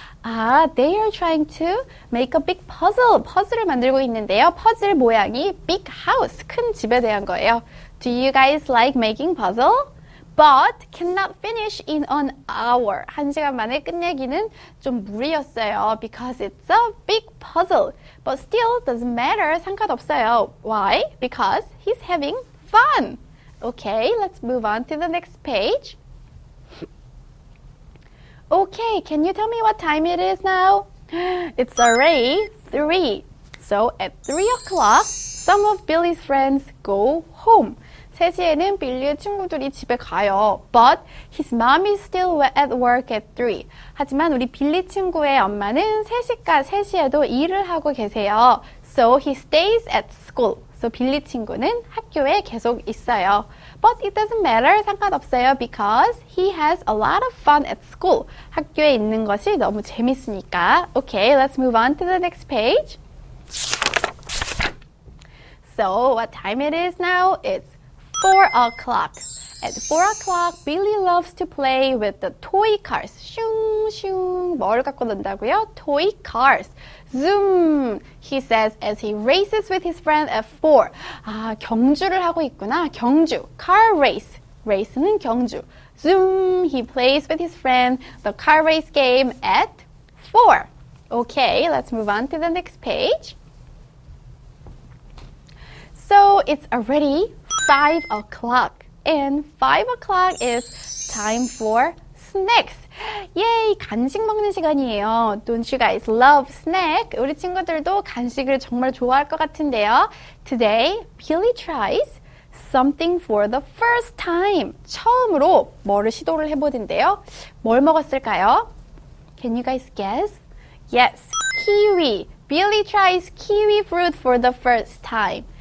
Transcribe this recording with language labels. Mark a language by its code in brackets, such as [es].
[en] They are trying to make a big puzzle. [ko] 퍼즐을 만들고 있는데요. 퍼즐 모양이 [en] big house, [ko] 큰 집에 대한 거예요. [en] Do you guys like making puzzle? But cannot finish in an hour. [ko] 한 시간 만에 끝내기는 좀 무리였어요. [en] Because it's a big puzzle. But still doesn't matter. [ko] 상관없어요. [en] Why? Because he's having fun. Okay, let's move on to the next page. Okay, can you tell me what time it is now? It's already 3. So at 3 o'clock, some of Billy's friends go home. [ko] 3시에는 빌리의 친구들이 집에 가요. [en] But his mom is still at work at 3. [ko] 하지만 우리 빌리 친구의 엄마는 3시에도 일을 하고 계세요. [en] So he stays at school. [ko] So 빌리 친구는 학교에 계속 있어요. [en] But it doesn't matter. [ko] 상관없어요. [en] Because he has a lot of fun at school. [ko] 학교에 있는 것이 너무 재밌으니까. [en] Okay, let's move on to the next page. So what time it is now? It's 4 o'clock. At 4 o'clock, Billy loves to play with the toy cars. [ko] 슝슝. 뭘 갖고 논다고요? [en] Toy cars. Zoom, he says as he races with his friend at 4. [ko] 아, 경주를 하고 있구나. 경주. [en] Car race. [ko] Race는 경주. [en] Zoom, he plays with his friend the car race game at 4. Okay, let's move on to the next page. So, it's already 5 o'clock. And 5 o'clock is time for snacks. Yay! [ko] 간식 먹는 시간이에요. [en] Don't you guys love snack? [ko] 우리 친구들도 간식을 정말 좋아할 것 같은데요. [en] Today, Billy tries something for the first time. [ko] 처음으로 뭐를 시도를 해보는데요. 뭘 먹었을까요? [en] Can you guys guess? Yes, kiwi. Billy tries kiwi fruit for the first time.